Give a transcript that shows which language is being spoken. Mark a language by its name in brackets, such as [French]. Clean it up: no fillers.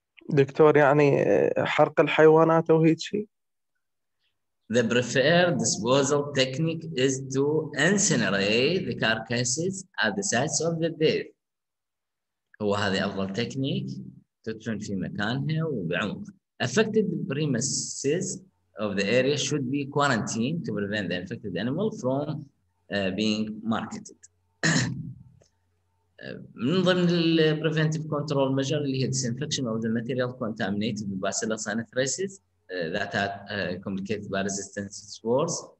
[Arabic] دكتور، يعني حرق الحيوانات او هيك شيء. [English] The preferred disposal technique is to incinerate the carcasses at the sites of the death. [Arabic] هو هذه افضل تكنيك، تدفن في مكانها وبعمق. [English] Affected premises of the area should be quarantined to prevent the infected animal from being marketed. [Arabic] من ضمن ال [English] preventive control measure [Arabic] اللي هي [English] disinfection of the material contaminated with Bacillus anthracis that had complicated by resistance spores.